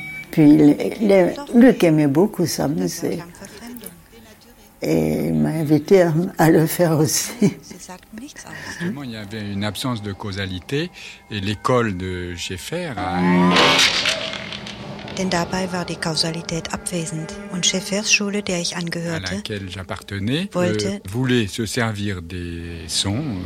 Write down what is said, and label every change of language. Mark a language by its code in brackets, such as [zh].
[fr] Puis Luc aimait beaucoup s'amuser et il m'a invité à le faire aussi. Justement, il y avait une absence de causalité et l'école de Schaeffer a... [de] Denn dabei war die Kausalität abwesend und Schaeffers Schule, der ich angehörte, [fr] à laquelle j'appartenais, voulait se servir des sons,